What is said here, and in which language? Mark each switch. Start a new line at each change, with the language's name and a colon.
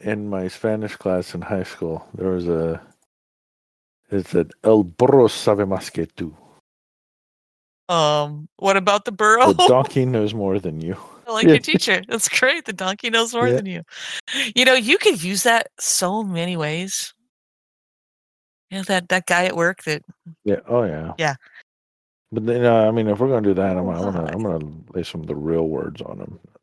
English: In my Spanish class in high school, there was a. It said,
Spanish: El burro sabe más que tú.
English: What about the burro? The donkey knows more than you. I like your teacher. That's great. The donkey knows more than you. You know, you could use that so many ways. You know, that guy at work that. Yeah. Oh, yeah. Yeah. But then, I mean, if we're going to do that, I'm gonna lay some of the real words on them.